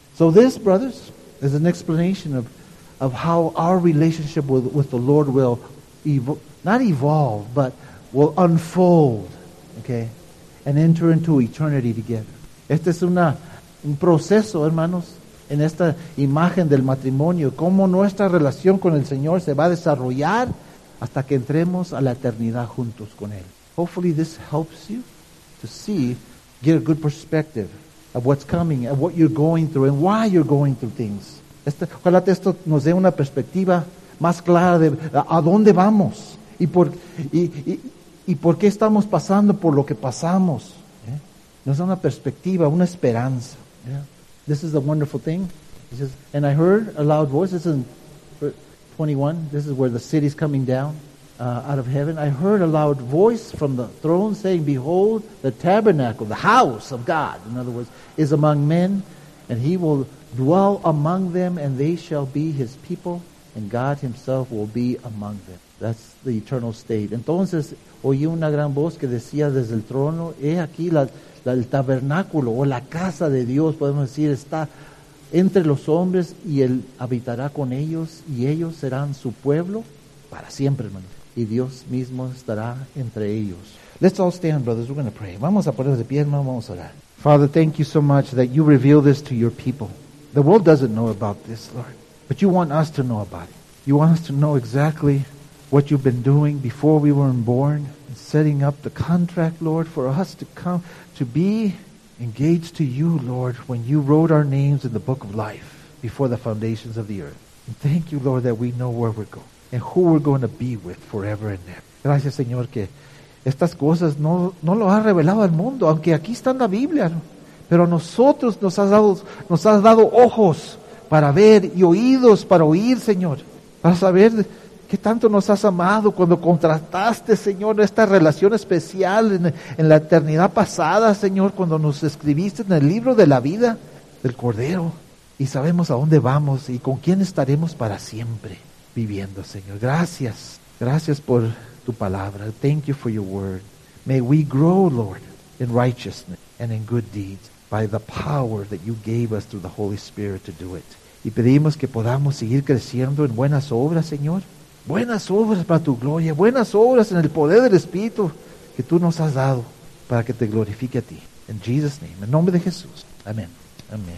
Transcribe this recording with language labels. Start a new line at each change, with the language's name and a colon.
English: So this, brothers, is an explanation of how our relationship with the Lord will not evolve, but will unfold, okay, and enter into eternity together.
Spanish: Este es un proceso, hermanos, en esta imagen del matrimonio, cómo nuestra relación con el Señor se va a desarrollar hasta que entremos a la eternidad juntos con Él.
English: Hopefully this helps you to see, get a good perspective of what's coming, of what you're going through, and why you're going through things. Ojalá esto nos dé una perspectiva más clara de a dónde vamos y por qué estamos pasando por lo que pasamos.
Spanish: Nos da una perspectiva, una esperanza.
English: This is a wonderful thing. He says, and I heard a loud voice. This is in 21. This is where the city is coming down out of heaven. I heard a loud voice from the throne saying, behold, the tabernacle, the house of God, in other words, is among men, and He will dwell among them, and they shall be His people, and God Himself will be among them. That's the eternal state.
Spanish: Entonces, oí una gran voz que decía desde el trono, he aquí el tabernáculo o la casa de Dios, podemos decir, está entre los hombres y Él habitará con ellos y ellos serán su pueblo para siempre, hermano. Y Dios mismo estará entre ellos.
English: Let's all stand, brothers. We're going to pray.
Spanish: Vamos a ponernos de pie, hermano, vamos a orar.
English: Father, thank you so much that you reveal this to your people. The world doesn't know about this, Lord, but you want us to know about it. You want us to know exactly what you've been doing before we were born, setting up the contract, Lord, for us to come to be engaged to you, Lord, when you wrote our names in the book of life before the foundations of the earth. And thank you, Lord, that we know where we're going and who we're going to be with forever and ever.
Spanish: Gracias, Señor, que estas cosas no lo ha revelado al mundo, aunque aquí está en la Biblia. Pero a nosotros nos has dado ojos para ver y oídos para oír, Señor. Para saber qué tanto nos has amado cuando contrataste, Señor, esta relación especial en la eternidad pasada, Señor, cuando nos escribiste en el libro de la vida del Cordero. Y sabemos a dónde vamos y con quién estaremos para siempre viviendo, Señor. Gracias. Gracias por tu palabra.
English: Thank you for your word. May we grow, Lord, in righteousness and in good deeds by the power that you gave us through the Holy Spirit to do it.
Spanish: Y pedimos que podamos seguir creciendo en buenas obras, Señor. Buenas obras para tu gloria. Buenas obras en el poder del Espíritu que tú nos has dado para que te glorifique a ti.
English: In Jesus' name.
Spanish: En nombre de Jesús. Amén. Amén.